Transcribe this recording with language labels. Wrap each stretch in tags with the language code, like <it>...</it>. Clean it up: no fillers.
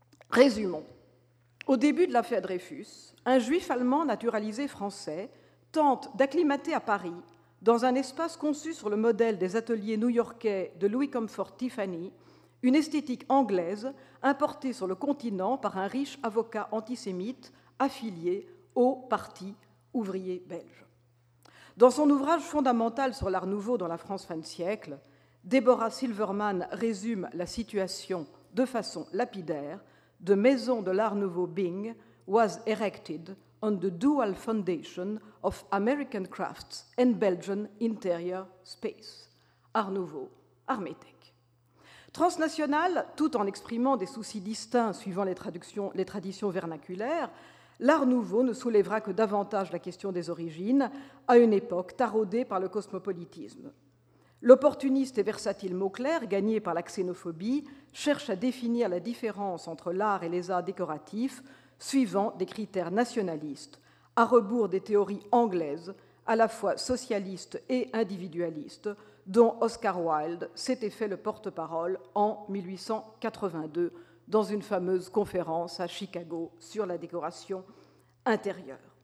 <fr>Résumons. Au début de l'affaire Dreyfus, un juif allemand naturalisé français tente d'acclimater à Paris, dans un espace conçu sur le modèle des ateliers new-yorkais de Louis Comfort Tiffany, une esthétique anglaise importée sur le continent par un riche avocat antisémite affilié au Parti ouvrier belge. Dans son ouvrage fondamental sur l'art nouveau dans la France fin de siècle, Deborah Silverman résume la situation de façon lapidaire.</fr> <en>The maison de l'art nouveau Bing was erected on the dual foundation of American crafts and Belgian interior space.</en> <fr>Art nouveau, Armétech. Transnational, tout en exprimant des soucis distincts suivant les traditions vernaculaires, l'art nouveau ne soulèvera que davantage la question des origines à une époque taraudée par le cosmopolitisme. L'opportuniste et versatile Mauclerc, gagné par la xénophobie, cherche à définir la différence entre l'art et les arts décoratifs suivant des critères nationalistes, à rebours des théories anglaises, à la fois socialistes et individualistes, dont Oscar Wilde s'était fait le porte-parole en 1882 dans une fameuse conférence à Chicago sur la décoration intérieure.</fr>